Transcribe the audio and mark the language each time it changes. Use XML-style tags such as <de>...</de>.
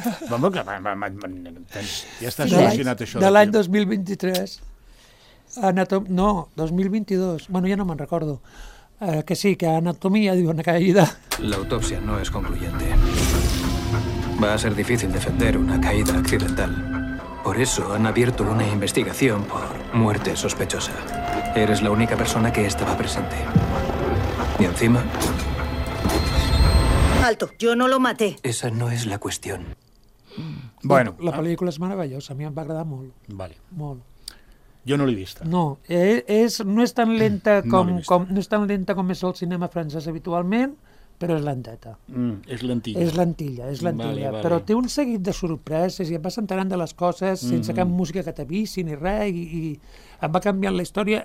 <ca>Vamos, que ja està solucionat això. De l'any 2023. No, 2022. Bueno, ja no me'n recordo. Que sí, que anatomia diu una caïda. L'autòpsia no és concluyente.</ca> <es>Va a ser difícil defender una caïda accidental. Por eso han abierto una investigación por muerte sospechosa. Eres la única persona que estaba presente. Y encima... Alto, yo no lo maté. Esa no es la cuestión. Bueno. La película es maravillosa, a mí me va a agradar molt. Vale.</es> <ca>Molt. Jo no l'he vista. No, no és tan lenta com és el cinema francès habitualment, però és lenteta. És lentilla. És lentilla, és lentilla. Vale, vale. Però té un seguit de sorpreses i et vas enterant de les coses sense cap música que t'avisi ni res i et va canviant la història.</ca>